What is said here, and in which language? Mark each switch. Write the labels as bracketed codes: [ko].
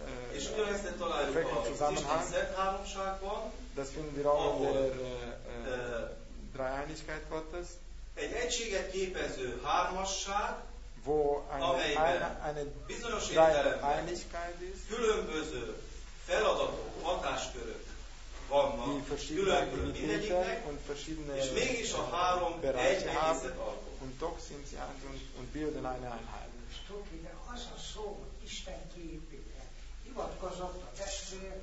[hu] És ugyanezt találjuk az Isten Szent Háromságban. [de] Das finden wir auch der drei Einigkeit Gottes. [hu] Egy egységet képező hármasság, [de] wo eine [hu] bizonyos értelemben különböző feladatok, hatáskörök vannak, különböző mindegyiknek, és mégis a három egy egészet alkot. [de] Und doch sind sie eins und bilden eine Einheit. [hu] Az a szó, Isten képére, hivatkozott a testvér,